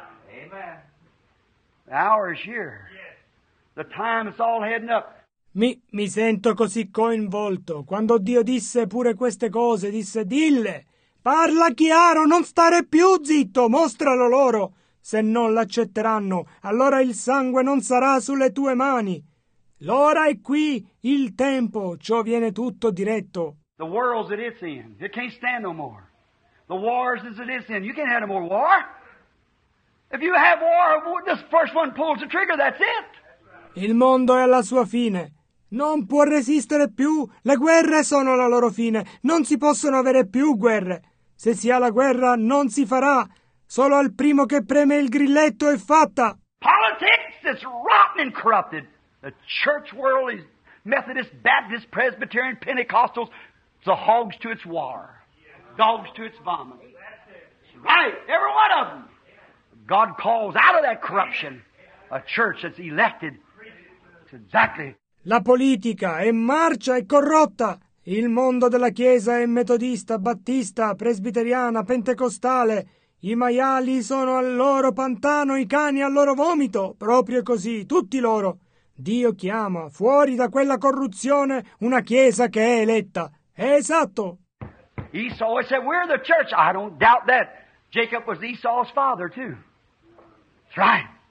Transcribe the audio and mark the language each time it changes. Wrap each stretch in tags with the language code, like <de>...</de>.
<en>Amen. The hour is here. The time is all heading up.</en> <it>Mi sento così coinvolto. Quando Dio disse pure queste cose, disse, dille, parla chiaro, non stare più zitto, mostralo loro. Se non l'accetteranno, allora il sangue non sarà sulle tue mani. L'ora è qui, il tempo, ciò viene tutto diretto.</it> <en>The world's that it's in. It can't stand no more. The wars is that it's in. You can't have no more war. If you have war, this first one pulls the trigger, that's it.</en> <it>Il mondo è alla sua fine. Non può resistere più. Le guerre sono la loro fine. Non si possono avere più guerre. Se si ha la guerra, non si farà. Solo al primo che preme il grilletto è fatta.</it> <en>Politics is rotten and corrupted. The church world is Methodist, Baptist, Presbyterian, Pentecostals. It's a hogs to its war. Dogs to its vomit. Right, every one of them. God calls out of that corruption a church that's elected. It's exactly.</en> <it>La politica è marcia e corrotta. Il mondo della Chiesa è metodista, battista, presbiteriana, pentecostale. I maiali sono al loro pantano, i cani al loro vomito. Proprio così, tutti loro. Dio chiama, fuori da quella corruzione, una Chiesa che è eletta. È esatto.</it> <en>Esau said, we're the church. I don't doubt that. Jacob was Esau's father too. Right.</en>